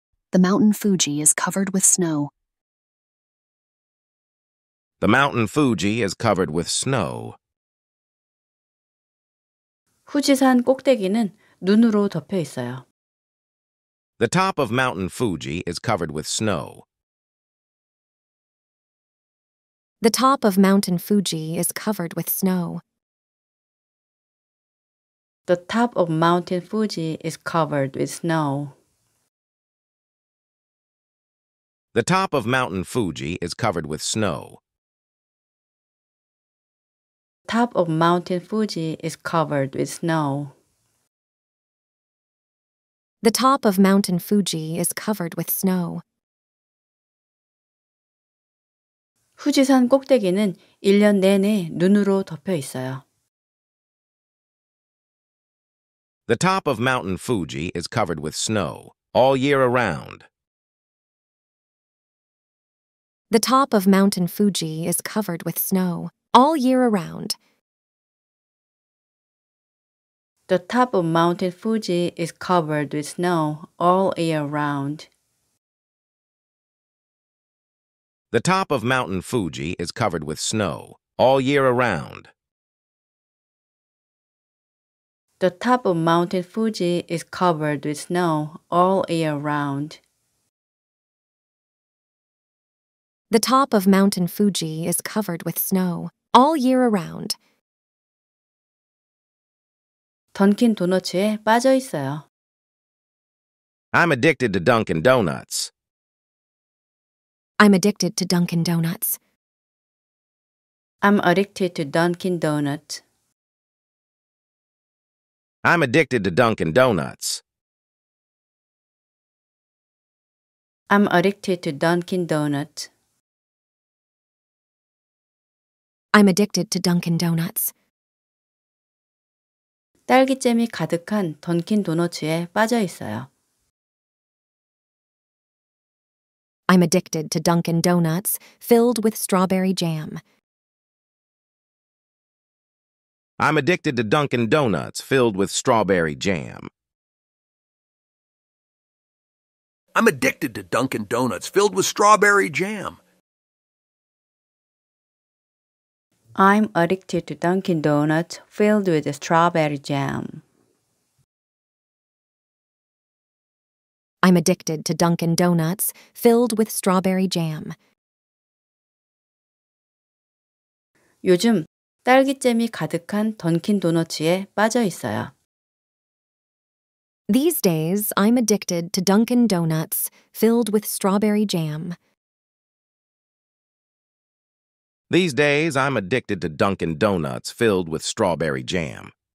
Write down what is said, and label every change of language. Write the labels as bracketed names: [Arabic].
[English] The mountain Fuji is covered with snow. The mountain Fuji is covered with snow. [Korean] 후지산 꼭대기는 눈으로 덮여 있어요. [English] The top of Mountain Fuji is covered with snow. The top of Mountain Fuji is covered with snow. The top of Mountain Fuji is covered with snow. The top of Mountain Fuji is covered with snow. Top of Mountain Fuji is covered with snow. The top of Mountain Fuji is covered with snow. [Korean] 후지산 꼭대기는 1년 내내 눈으로 덮여 있어요. [English] The top of Mountain Fuji is covered with snow all year around. The top of Mountain Fuji is covered with snow all year around. The top of Mountain Fuji is covered with snow all year round. The top of Mountain Fuji is covered with snow all year around. The top of Mountain Fuji is covered with snow all year round. The top of Mountain Fuji is covered with snow all year around. [Korean] 던킨 도너츠에 빠져 있어요. [English] I'm addicted to Dunkin' Donuts. I'm addicted to Dunkin' Donuts. I'm addicted to Dunkin' Donuts. I'm addicted to Dunkin' Donuts. I'm addicted to Dunkin' Donuts. I'm addicted to Dunkin' Donuts. [Korean] 딸기잼이 가득한 던킨 도너츠에 빠져 있어요. [English] I'm addicted to Dunkin' Donuts filled with strawberry jam. I'm addicted to Dunkin' Donuts filled with strawberry jam. I'm addicted to Dunkin' Donuts filled with strawberry jam. I'm addicted to Dunkin' Donuts filled with strawberry jam. I'm addicted to Dunkin' Donuts filled with strawberry jam. [Korean] 요즘 딸기잼이 가득한 던킨 도너츠에 빠져 있어요. [English] These days, I'm addicted to Dunkin' Donuts filled with strawberry jam. These days, I'm addicted to Dunkin' Donuts filled with strawberry jam.